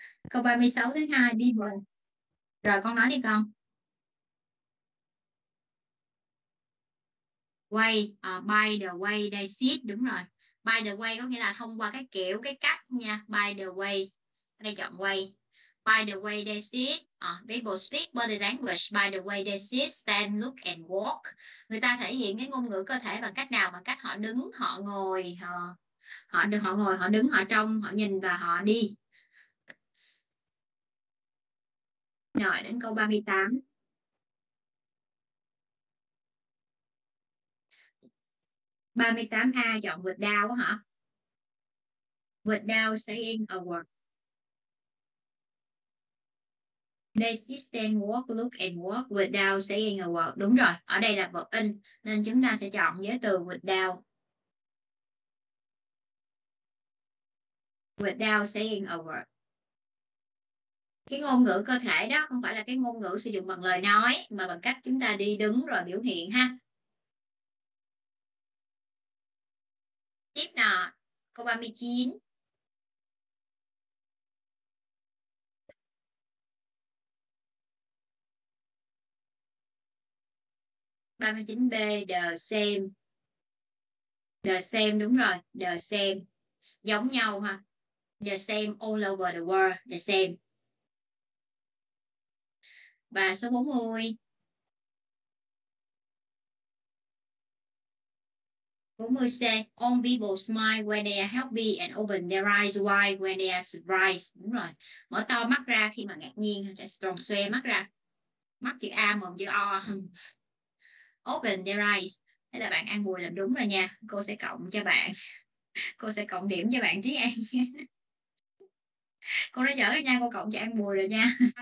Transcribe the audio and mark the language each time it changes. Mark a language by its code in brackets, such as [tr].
[vi] Câu 36 thứ hai đi rồi. Rồi con nói đi con. [en] Way, by the way they sit, [vi] đúng rồi. [en] By the way [vi] có nghĩa là thông qua cái kiểu, cái cách nha. [en] By the way, [vi] đây chọn [en] way. By the way they sit, people speak body language. By the way they sit, stand, look and walk. [vi] Người ta thể hiện cái ngôn ngữ cơ thể bằng cách nào? Bằng cách họ đứng, họ ngồi, họ ngồi, họ đứng, họ trông, họ nhìn và họ đi. Rồi đến câu 38. Ba mươi tám A chọn without quá hả? [en] Without saying a word. They sit and walk, look and walk without saying a word. [vi] Đúng rồi, ở đây là verb in nên chúng ta sẽ chọn với từ without. [en] Without saying a word. [vi] Cái ngôn ngữ cơ thể đó không phải là cái ngôn ngữ sử dụng bằng lời nói mà bằng cách chúng ta đi đứng rồi biểu hiện ha. Tiếp nè, câu 39. [en] B, the same, [vi] đúng rồi, [en] the same, [vi] giống nhau ha, [en] the same all over the world, the same. [vi] Và số 40. [en] 40C, all people smile when they are happy and open their eyes wide when they are surprised. [vi] Đúng rồi. Mở to mắt ra khi mà ngạc nhiên, tròn xoe mắt ra. Mắt chữ A, mồm chữ O. [en] Open their eyes. [vi] Thế là bạn An Bùi làm đúng rồi nha. Cô sẽ cộng cho bạn. Cô sẽ cộng điểm cho bạn Trí An. Cô nói giỡn thôi nha, cô cộng cho An Bùi rồi nha.